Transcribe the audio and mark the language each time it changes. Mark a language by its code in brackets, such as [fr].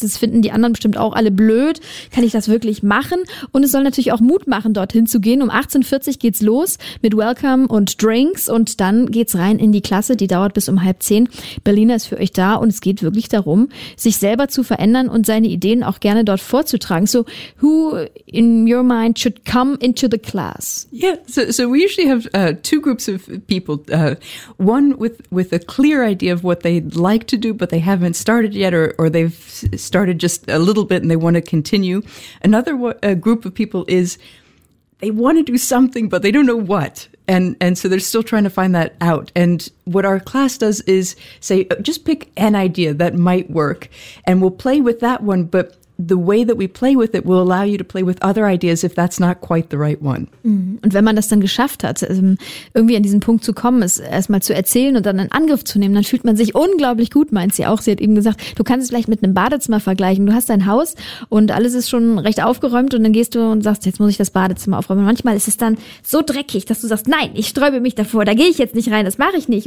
[de] Das finden die anderen bestimmt auch alle blöd. Kann ich das wirklich machen? Und es soll natürlich auch Mut machen, dorthin zu gehen. Um 18:40 geht's los mit Welcome und Drinks. Und dann geht's rein in die Klasse. Die dauert bis um 9:30. Berliner ist für euch da und es geht wirklich darum, sich selber zu verändern und seine Ideen auch gerne dort vorzutragen. [en] So, who in your mind should come into the class? Yeah, so we usually have two groups of people. One with a clear idea of what they'd like to do, but they haven't started yet or they've started just a little bit and they want to continue. Another group of people is they want to do something, but they don't know what. And so they're still trying to find that out. And what our class does is say, just pick an idea that might work. And we'll play with that one. But the way that we play with it will allow you to play with other ideas if that's not quite the right one. [de] Und wenn man das dann geschafft hat, irgendwie an diesen Punkt zu kommen, es erstmal zu erzählen und dann in Angriff zu nehmen, dann fühlt man sich unglaublich gut, meint sie auch. Sie hat eben gesagt, du kannst es vielleicht mit einem Badezimmer vergleichen. Du hast dein Haus und alles ist schon recht aufgeräumt und dann gehst du und sagst, jetzt muss ich das Badezimmer aufräumen. Und manchmal ist es dann so dreckig, dass du sagst, nein, ich sträube mich davor, da gehe ich jetzt nicht rein, das mache ich nicht.